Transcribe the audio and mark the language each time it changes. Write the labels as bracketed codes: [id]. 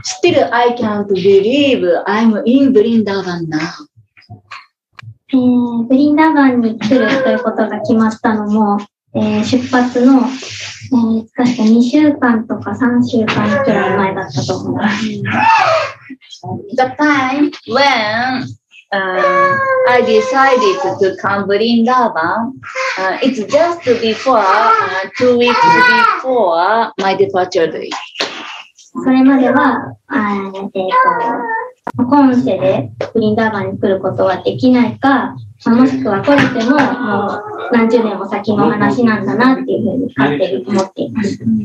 [en] Still, I can't believe I'm in ブリンダーバン now. [ja] ブリンダーバンに来るということが決まったのも、出発の、確か2週間とか3週間くらい前だったと思います。 [en] The time when I decided to come Vrindavan, it's just before, 2 weeks before my departure day. [ja] それまでは、今世で Vrindavan に来ることはできないか、もしくは来れても、もう何十年も先の話なんだなっていうふうに勝手に思っています。